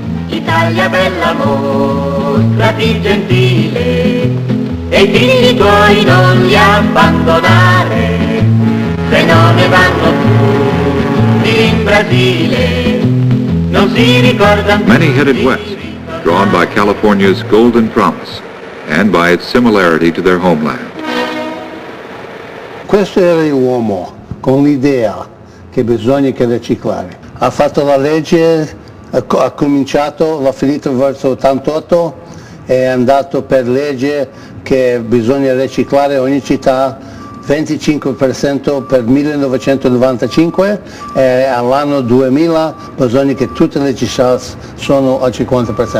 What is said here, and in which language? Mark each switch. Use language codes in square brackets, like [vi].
[it] Italia bell'amore, fra gentile, e figli tuoi non li abbandonare, se non ne vanno tutti in Brasile, non si ricordano. [en] Many headed west, drawn by California's golden promise and by its similarity to their homeland. [it] Questo era un uomo con l'idea che bisogna che riciclare. Ha fatto la legge. Ha cominciato, l'ha finito verso 88 e è andato per legge che bisogna riciclare ogni città 25% per 1995 e all'anno 2000 bisogna che tutte le città sono al 50%.